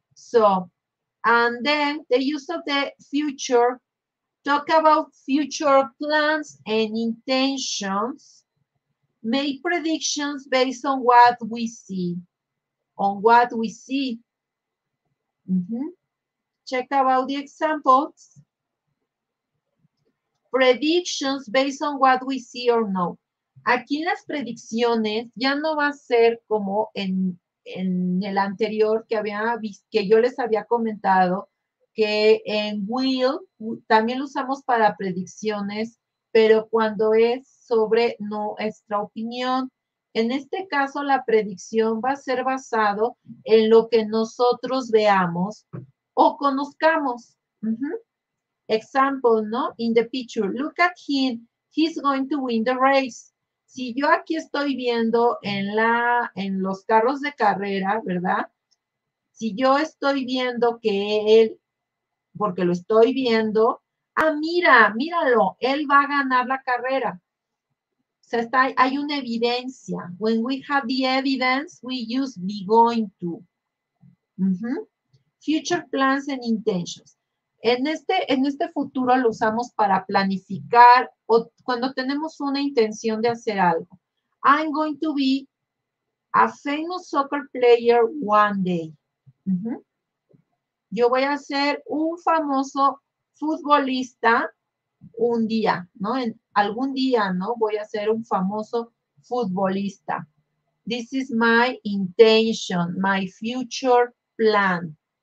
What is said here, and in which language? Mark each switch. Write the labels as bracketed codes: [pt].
[en] So, and then the use of the future, talk about future plans and intentions, make predictions based on what we see, on what we see. Mm-hmm. Check about the examples. Predictions based on what we see or no. [es] Aquí en las predicciones ya no va a ser como en el anterior que había visto, que yo les había comentado que en will también lo usamos para predicciones, pero cuando es sobre nuestra opinión, en este caso la predicción va a ser basado en lo que nosotros veamos o conozcamos. [en] Mm-hmm. Example, ¿no? In the picture, look at him, he's going to win the race. [es] Si yo aquí estoy viendo en los carros de carrera, ¿verdad? Si yo estoy viendo que él, porque lo estoy viendo, ¡ah, mira, míralo! Él va a ganar la carrera. O sea, hay una evidencia. [en] When we have the evidence, we use be going to. Mm-hmm. Future plans and intentions. [es] En este futuro lo usamos para planificar o cuando tenemos una intención de hacer algo. [en] I'm going to be a famous soccer player one day. Mm-hmm. [es] Yo voy a ser un famoso futbolista un día, ¿no? En algún día, ¿no? Voy a ser un famoso futbolista. [en] This is my intention, my future plan.